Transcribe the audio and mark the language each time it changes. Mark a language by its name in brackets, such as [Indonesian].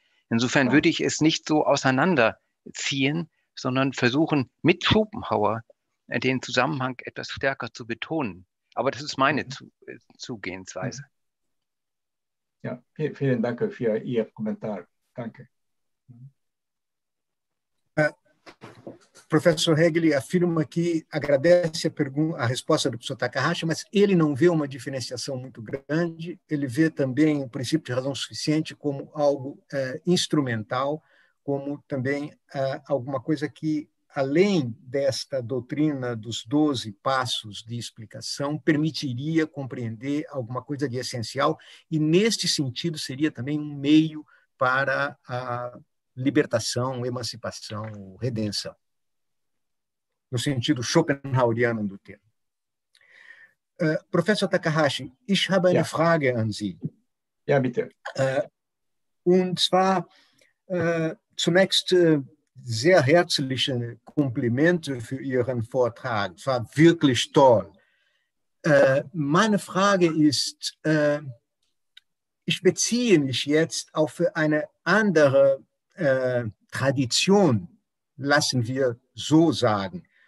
[German] Insofern würde ich es nicht so auseinanderziehen, sondern versuchen, mit Schopenhauer den Zusammenhang etwas stärker zu betonen. Aber das ist meine Zugehensweise. Ja, vielen Dank für Ihr Kommentar. Danke. [Portuguese] Professor Hegeli afirma que agradece a resposta do professor Takahashi, mas ele não vê uma diferenciação muito grande, ele vê também o princípio de razão suficiente como algo instrumental, como também alguma coisa que, além desta doutrina dos 12 passos de explicação, permitiria compreender alguma coisa de essencial, e neste sentido seria também um meio para a libertação, emancipação, redenção. No sentido schopenhaueriano do termo. [German] Professor Takahashi, ich habe eine Frage an Sie. Ja, bitte. Und zwar zunächst sehr herzliche Komplimente für Ihren Vortrag. Es war wirklich toll. Meine Frage ist, ich beziehe mich jetzt auf eine andere Tradition, lassen wir so sagen.